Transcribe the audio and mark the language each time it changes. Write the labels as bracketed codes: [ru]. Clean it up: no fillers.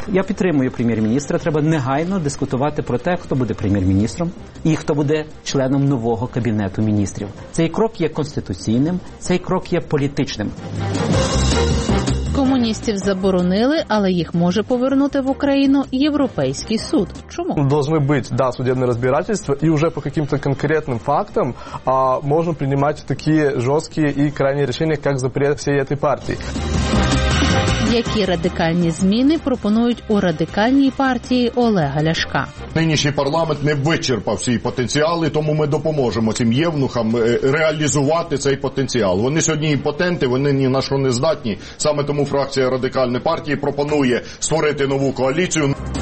[uk] Я підтримую прем'єр-міністра. Треба негайно дискутувати про те, хто буде прем'єр-міністром і хто буде членом нового кабінету міністрів. Цей крок є конституційним, цей крок є політичним. Комуністів заборонили, але їх може повернути в Україну Європейський суд. Чому? [ru] Должны быть, да, судебное разбирательство, и уже по каким-то конкретным фактам можно принимать такие жесткие и крайние решения, как запрет всей этой партии. [uk] Які радикальні зміни пропонують у радикальній партії Олега Ляшка? Нинішній парламент не вичерпав всі потенціали, тому ми допоможемо цим євнухам реалізувати цей потенціал. Вони сьогодні імпотенти, вони ні на що не здатні. Саме тому фракція радикальної партії пропонує створити нову коаліцію.